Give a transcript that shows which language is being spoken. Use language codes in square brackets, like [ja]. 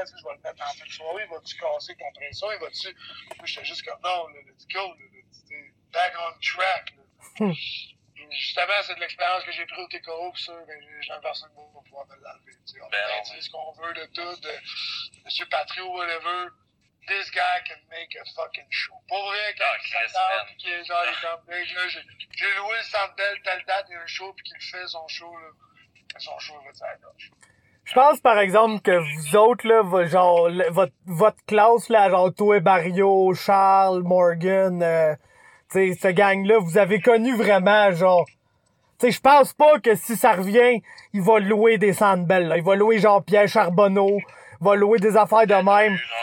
[fr] Tu sais, je vais le mettre en fin de soirée. Il va-tu casser contre ça? Il va-tu... Moi, j'étais juste comme, non, là, [en] let's go. [fr] Là, [en] back on track. [fr] Justement, c'est de l'expérience que j'ai pris au TKO. Puis ça, ben, j'ai une personne qui va pouvoir me l'enlever. Tu sais, on peut dire ce qu'on veut de tout. De Monsieur Patriot, whatever. [en] This guy can make a fucking show. [fr] Pour vrai, quand il s'attarde, pis qu'il est genre, il est comme, là, j'ai loué le Sandbell telle date, il y a un show, pis qu'il fait son show, là. Son show, là, ça va. Je pense, par exemple, que vous autres, là, genre, votre classe, là, genre, toi, Barrio, Charles, Morgan, t'sais, ce gang-là, vous avez connu vraiment, genre, t'sais, je pense pas que si ça revient, il va louer des Sandbell, là. Il va louer, genre, Pierre Charbonneau, il va louer des affaires de même.